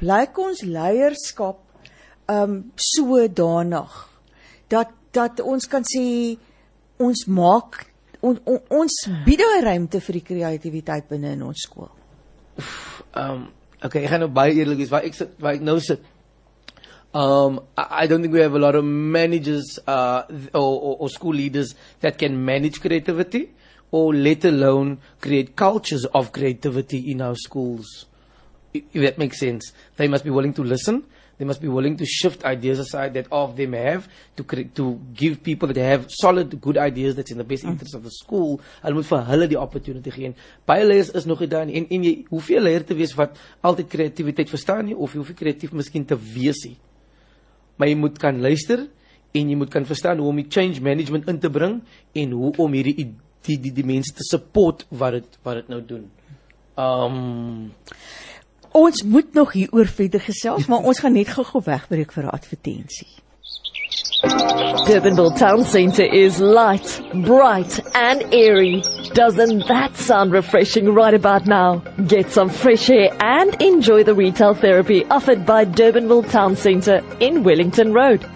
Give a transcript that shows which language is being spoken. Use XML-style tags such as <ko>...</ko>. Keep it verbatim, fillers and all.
<af>Lyk ons leierskap um sodanig dat dat ons kan sê ons maak on, on, ons bied 'n ruimte vir die kreatiwiteit binne in ons skool. Oef, um okay, ek gaan nou baie eerlik wees waar ek sit, waar ek nou sit.</af> <en>Um, I don't think we have a lot of managers uh, or, or, or school leaders that can manage creativity, or let alone create cultures of creativity in our schools, if that makes sense. They must be willing to listen. They must be willing to shift ideas aside that all of them have, to create, to give people that have solid, good ideas that's in the best mm. interest of the school.</en> <af>Hulle moet vir hulle die opportunity gee. Baie leiers is nog nie daar nie. En, en jy hoef nie 'n leier te wees wat altyd kreatiwiteit verstaan nie, of jy hoef nie kreatief miskien te wees nie. Maar jy moet kan luister en jy moet kan verstaan hoe om die change management in te bring en hoe om hierdie die, die, die, die mense te support wat het, wat het nou doen. Um, ons moet nog hier oor verder gesels, maar ons gaan net gou wegbreek vir 'n advertensie.</af> <en>Durbanville Town Centre is light, bright and airy. Doesn't that sound refreshing right about now? Get some fresh air and enjoy the retail therapy offered by Durbanville Town Centre in Wellington Road.</en>